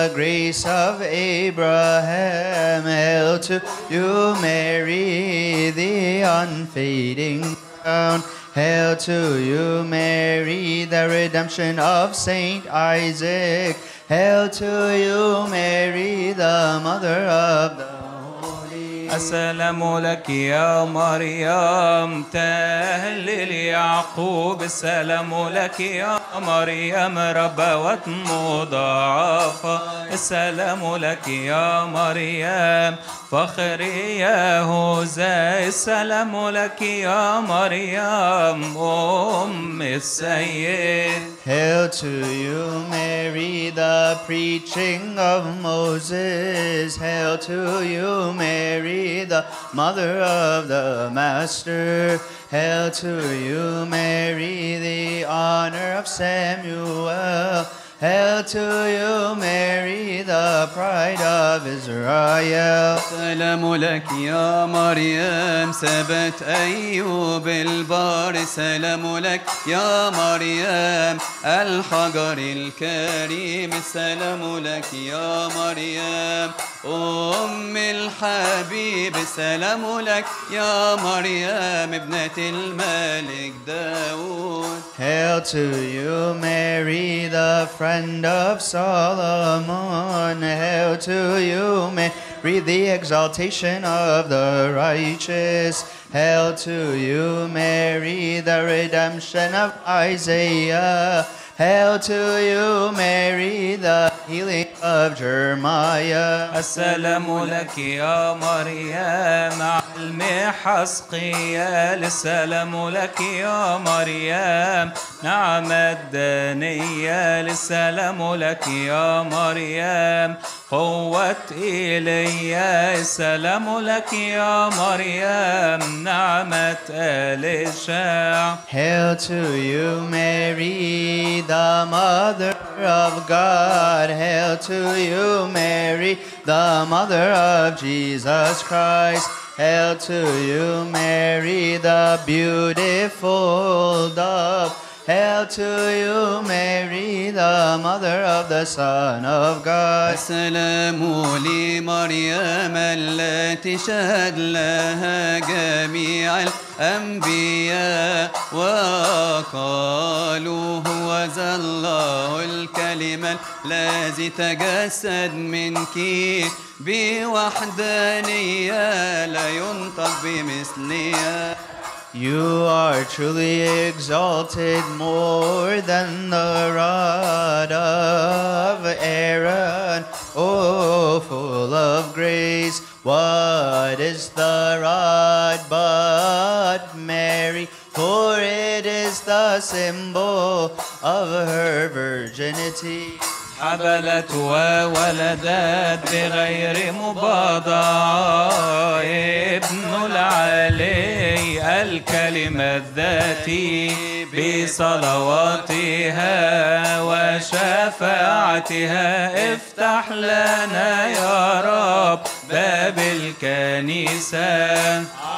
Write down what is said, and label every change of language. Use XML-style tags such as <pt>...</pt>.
<en>grace of Abraham. Hail to you, Mary, the unfading crown. Hail to you, Mary, the redemption of Saint Isaac. Hail to you, Mary, the mother of the</en> <ar>السلام لك يا مريم تهلل يعقوب السلام لك يا مريم ربوة مضاعفة السلام لك يا مريم فخر يا هوزاي السلام لك يا مريم أم السيد</ar> <en>Hail to you Mary the preaching of Moses Hail to you Mary the mother of the master Hail to you Mary the honor of Samuel Hail to you, Mary, the pride of Israel.</en> <ar>السلام لك يا مريم سبت أيوب البار السلام لك يا مريم الحجر الكريم السلام لك يا مريم أم الحبيب السلام لك يا مريم ابنة الملك داود</ar> <en>Hail to you, Mary, the friend of Solomon. Hail to you, Mary, the exaltation of the righteous. Hail to you, Mary, the redemption of Isaiah. Hail to you, Mary, the healing of Jeremiah.</en> <ar>السلام لك يا مريم علم حسقيال السلام لك يا مريم نعمة دانيال السلام لك يا مريم قوة إلي السلام لك يا مريم نعمة إليشع</ar> <en>Hail to you Mary the mother of God Hail to you Mary the mother of Jesus Christ Hail to you Mary the beautiful dove Hail to you, Mary, the mother of the Son of God.</en> <ar>السلام لمريم التي شهد لها جميع الأنبياء وقالوا هو ذا الله الكلمة الذي تجسد منك بوحدانية لا ينطق بمثلية</ar> <en>You are truly exalted more than the rod of Aaron, O full of grace. What is the rod but Mary? For it is the symbol of her virginity.</en> <ar>حبلت وولدت بغير مبادعة ابن العلي الكلمة الذاتي بصلواتها وشفاعتها افتح لنا يا رب باب الكنيسة</ar>